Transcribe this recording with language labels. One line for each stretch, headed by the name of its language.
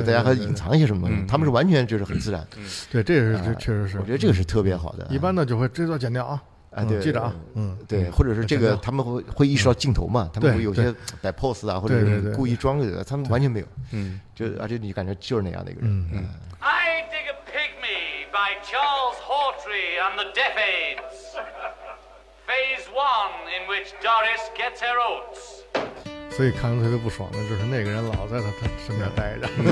Chinese: 大家还隐藏一些什么东西，他们是完全就是很自然。对，这也是这确实是，我觉得这个是特别好的。一般的就会这段剪掉啊。对，记着啊，对，或者是这个他们会意识到镜头嘛，他们会有些摆 pose 啊，或者是故意装个，他们完全没有，就而且你感觉就是那样的一个人。
English: I dig a pygmy by Charles Hawtrey and the Deafheads. Phase one in which Doris gets her oats.
Chinese: 所以看着特别不爽的就是那个人老在他身边待着，